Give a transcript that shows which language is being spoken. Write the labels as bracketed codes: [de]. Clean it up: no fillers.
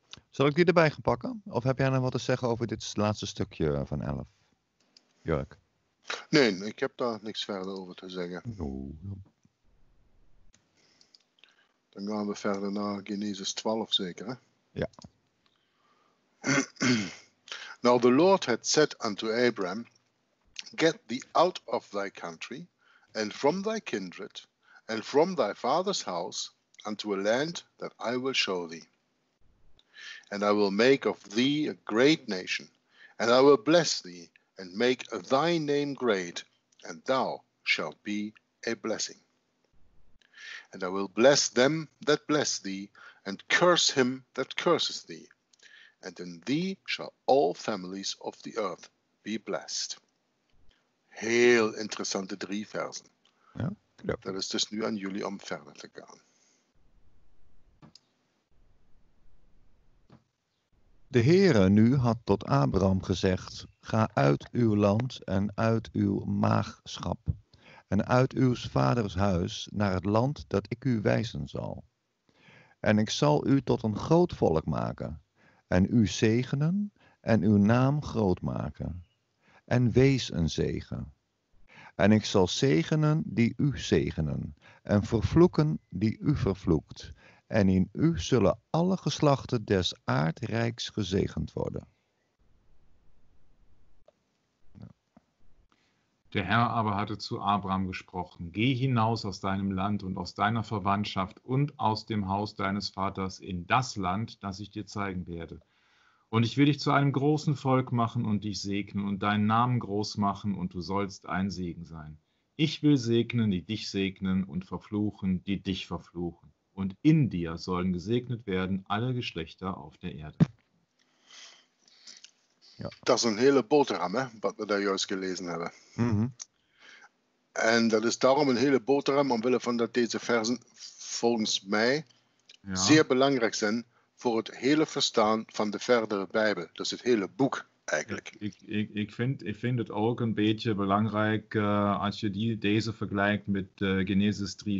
[nl] Zal ik die erbij gaan pakken? Of heb jij nog wat te zeggen over dit laatste stukje van 11? Jörg? Nee, ik heb daar niks verder over te zeggen. [en] No. [nl] Dan gaan we verder naar Genesis 12, zeker, hè? Ja. [en] Now the Lord had said unto Abram, Get thee out of thy country, and from thy kindred, and from thy father's house, unto a land that I will show thee. And I will make of thee a great nation, and I will bless thee, and make thy name great, and thou shalt be a blessing. And I will bless them that bless thee, and curse him that curses thee. And in thee shall all families of the earth be blessed. [nl] Heel interessante drie versen. Ja. Dat is dus nu aan jullie om verder te gaan. De Heere nu had tot Abraham gezegd, Ga uit uw land en uit uw maagschap. En uit uw vaders huis naar het land dat ik u wijzen zal. En ik zal u tot een groot volk maken, en u zegenen, en uw naam groot maken. En wees een zegen. En ik zal zegenen die u zegenen, en vervloeken die u vervloekt. En in u zullen alle geslachten des aardrijks gezegend worden. [de] Der Herr aber hatte zu Abraham gesprochen, Geh hinaus aus deinem Land und aus deiner Verwandtschaft und aus dem Haus deines Vaters in das Land, das ich dir zeigen werde. Und ich will dich zu einem großen Volk machen und dich segnen und deinen Namen groß machen und du sollst ein Segen sein. Ich will segnen, die dich segnen und verfluchen, die dich verfluchen. Und in dir sollen gesegnet werden alle Geschlechter auf der Erde. [nl] Ja. [de] Das ist ein [nl] hele Boterham, [de] was wir da juist gelesen haben. Mm-hmm. [nl] En dat is daarom een hele boterham, omwille van dat deze versen volgens mij zeer belangrijk zijn voor het hele verstaan van de verdere Bijbel. Dat is het hele boek eigenlijk. Ik vind het ook een beetje belangrijk als je deze vergelijkt met Genesis 3:15.